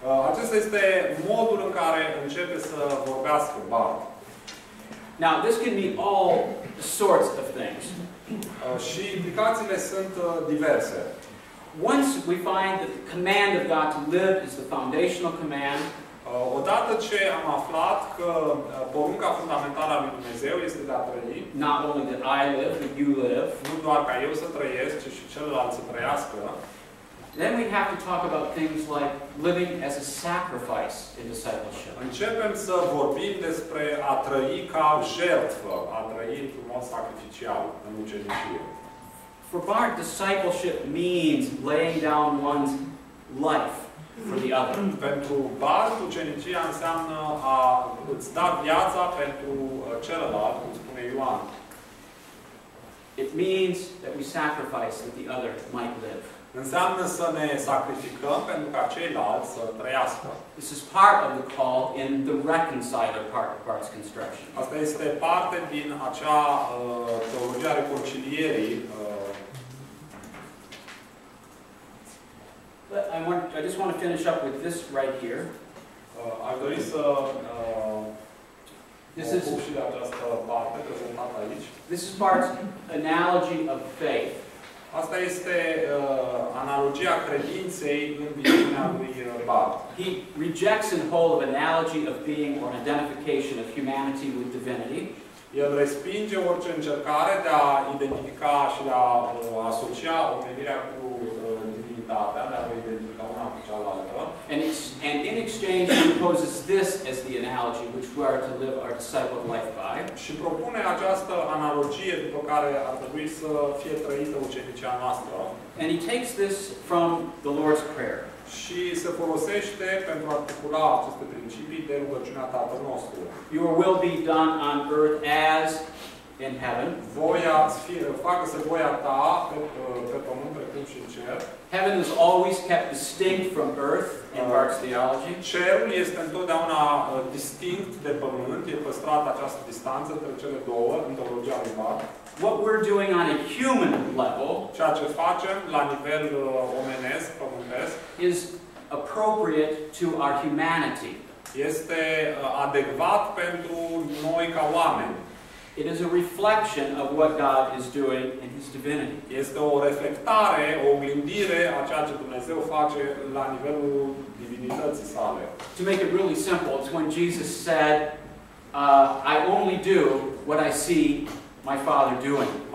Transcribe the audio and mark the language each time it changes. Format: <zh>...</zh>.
<ro>Acesta este modul în care începe să vorbească Bart.</ro> <en>Now, this can be all sorts of things.</en> <ro>Și implicațiile sunt diverse.</ro> <en>Once we find that the command of God to live is the foundational command,</en> <ro>odată ce am aflat că porunca fundamentală a lui Dumnezeu este de a trăi,</ro> <en>not only that I live, but you live,</en> <ro>nu doar ca eu să trăiesc, ci și celălalt să trăiască,</ro> <en>then we have to talk about things like living as a sacrifice in discipleship.</en> <ro>Începem să vorbim despre a trăi ca jertfă, a trăi într-un mod sacrificial în ucenicie.</ro> <en>For Bart, discipleship means laying down one's life for the other.</en> <ro>Pentru Bart, ucenicia înseamnă a îți da viața pentru celălalt, cum spune Ioan.</ro> <en>It means that we sacrifice that the other might live.</en> <ro>Înseamnă să ne sacrificăm pentru ca ceilalți să trăiască.</ro> <en>This is part of the call in the reconciler part of Bart's construction.</en> <ro>Asta este parte din acea teologie a reconcilierii.</ro> <en>But I just want to finish up with this right here.</en> <ro>Aș dori să</ro> <en>this is</en> <ro>și de această parte prezentată aici.</ro> <en>This is Bart's analogy of faith.</en> <ro>Asta este analogia credinței în viziunea lui Bart.</ro> <en>He rejects in whole of analogy of being or an identification of humanity with divinity.</en> <ro>El respinge orice încercare de a identifica și de a asocia omenirea cu divinitatea, de a o identifica una cu cealaltă.</ro> <en>And in exchange he proposes this as the analogy which we are to live our disciple life by.</en> <ro>Și propune această analogie după care ar trebui să fie trăită ucenicia noastră.</ro> <en>And he takes this from the Lord's Prayer.</en> <ro>Și se folosește pentru a articula aceste principii de rugăciunea Tatăl nostru.</ro> <en>Your will be done on earth as in heaven.</en> <ro>Facă-se voia ta pe pământ precum și în cer.</ro> <en>Heaven is always kept distinct from earth in Bart's theology.</en> <ro>Cerul este întotdeauna distinct de pământ, e păstrată această distanță între cele două în teologia lui Bart.</ro> <en>What we're doing on a human level,</en> <ro>ceea ce facem la nivel omenesc, pământesc,</ro> <en>is appropriate to our humanity.</en> <ro>Este adecvat pentru noi ca oameni.</ro> <en>It is a reflection of what God is doing in His divinity.</en> <ro>Este o reflectare, o oglindire a ceea ce Dumnezeu face la nivelul divinității sale.</ro> <en>To make it really simple, it's when Jesus said, I only do what I see my Father doing.</en>